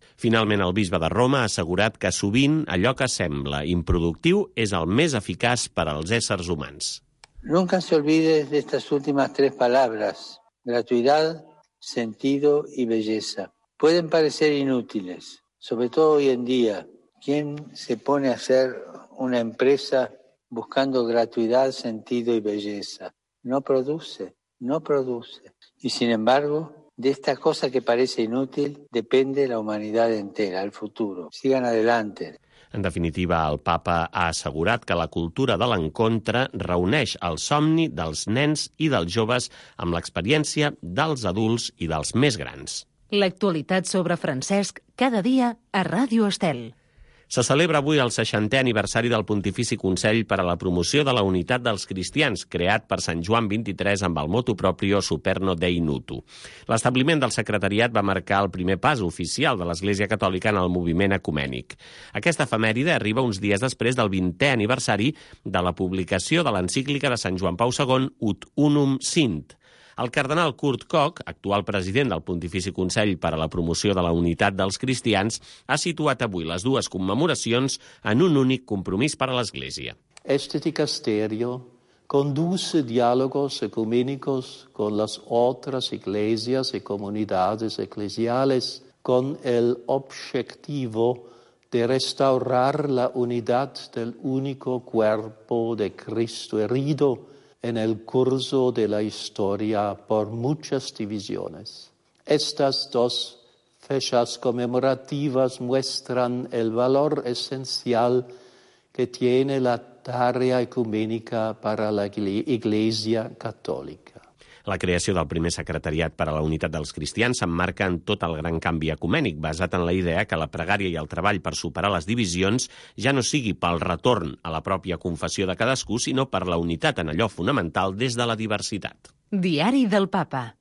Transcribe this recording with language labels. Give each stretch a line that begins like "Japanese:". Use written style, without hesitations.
Catalan: Finalment, el bisbe de Roma ha assegurat que sovint allò que sembla improductiu és el més eficaç per als éssers humans.
Spanish: Nunca se olvide de estas últimas tres palabras, gratuidad, sentido y belleza. Pueden parecer inútiles, sobre todo hoy en día. ¿Quién se pone a hacer una empresa buscando gratuidad, sentido y belleza? No produce, no produce. Y sin embargo, de esta cosa que parece inútil, depende la humanidad entera, el futuro. Sigan adelante.
Catalan: En definitiva, el Papa ha assegurat que la cultura de l'encontre reuneix el somni dels nens i dels joves amb l'experiència dels adults i dels més grans. L'actualitat sobre Francesc, cada dia a Ràdio Estel. Se celebra avui el 60è aniversari del Pontifici Consell per a la Promoció de la Unitat dels Cristians, creat per Sant Joan XXIII amb el motu proprio Superno Dei Nutu. L'establiment del secretariat va marcar el primer pas oficial de l'Església Catòlica en el moviment ecumènic. Aquesta efemèride arriba uns dies després del 20è aniversari de la publicació de l'encíclica de Sant Joan Pau II, Ut Unum Sint. El cardenal Kurt Koch, actual president del Pontifici Consell per a la Promoció de la Unitat dels Cristians, ha situat avui les dues commemoracions en un únic compromís per a l'Església.
Spanish: Este dicasterio conduce diálogos ecuménicos con las otras iglesias y comunidades eclesiales con el objetivo de restaurar la unidad del único cuerpo de Cristo herido en el curso de la historia por muchas divisiones. Estas dos fechas conmemorativas muestran el valor esencial que tiene la tarea ecuménica para la Iglesia Católica.
Catalan: La creació del primer secretariat per a la unitat dels cristians s'emmarca en tot el gran canvi ecumènic, basat en la idea que la pregària i el treball per superar les divisions ja no sigui pel retorn a la pròpia confessió de cadascú, sinó per la unitat en allò fonamental des de la diversitat. Diari del Papa.